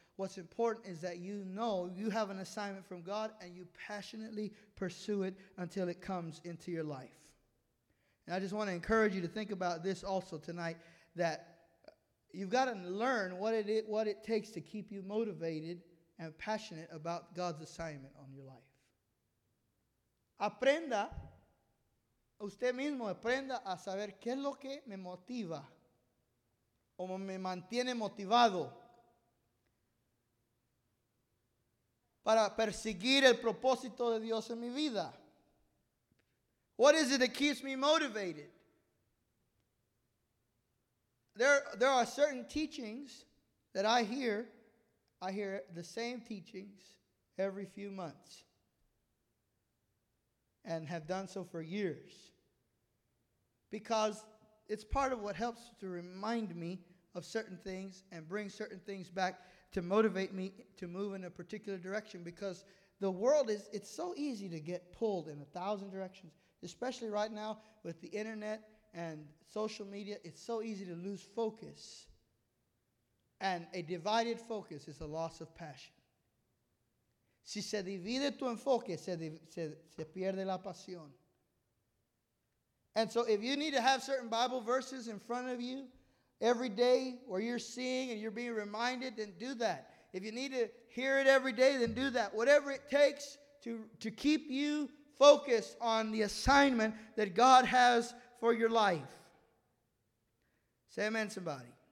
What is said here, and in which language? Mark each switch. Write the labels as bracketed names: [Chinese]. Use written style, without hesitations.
[English] What's important is that you know you have an assignment from God and you passionately pursue it until it comes into your life. And I just want to encourage you to think about this also tonight, that you've got to learn what it takes to keep you motivated and passionate about God's assignment on your life. [Spanish] Aprenda, usted mismo aprenda a saber qué es lo que me motiva o me mantiene motivado para perseguir el propósito de Dios en mi vida. [English] What is it that keeps me motivated? There are certain teachings that I hear. I hear the same teachings every few months and have done so for years because it's part of what helps to remind me of certain things and bring certain things back to motivate me to move in a particular direction, because the world is, it's so easy to get pulled in 1,000 directions, especially right now with the internet and social media. It's so easy to lose focus. And a divided focus is a loss of passion. [Spanish] Si se divide tu enfoque, se pierde la pasión. [English] And so if you need to have certain Bible verses in front of you every day where you're seeing and you're being reminded, then do that. If you need to hear it every day, then do that. Whatever it takes to keep you focused on the assignment that God has for your life. Say amen, somebody.